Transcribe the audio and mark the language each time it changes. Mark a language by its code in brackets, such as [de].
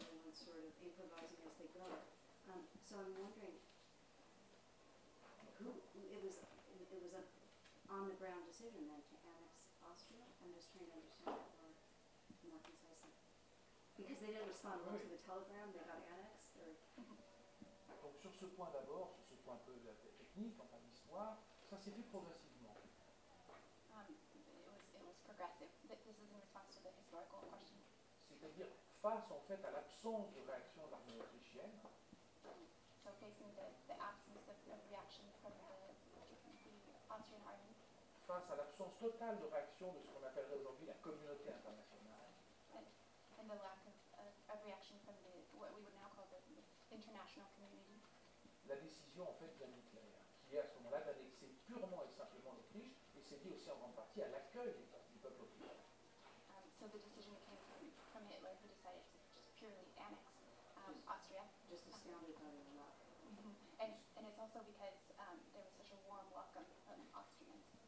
[en] Everyone's sort of improvising as they go. So I'm wondering, it was a on the ground decision then to annex Austria. I'm just trying to understand that more concisely. Because they didn't respond well to the telegram, they got annexed, or? [fr] Donc sur ce point d'abord, sur ce point un peu de la technique, en fin d'histoire, ça s'est fait progressivement. [en] It was progressive. This is in response to the historical question. [fr] C'est-à-dire face en fait à l'absence de réaction de l'armée autrichienne. [en] So facing the absence of reaction from the Austrian army. [fr] Face à l'absence totale de réaction de ce qu'on appellerait aujourd'hui la communauté internationale. [en] And the lack of reaction from the, what we would now call the international community. [fr] La décision en fait vient d'Hitler, qui est à ce moment-là d'annexer purement et simplement l'Autriche, et c'est dit aussi en grande partie à l'accueil du peuple autrichien. [en] So the decision came from Hitler, who decided to just purely annex Austria. Just astounded by the law. And it's also because there was such a warm welcome from Austrians.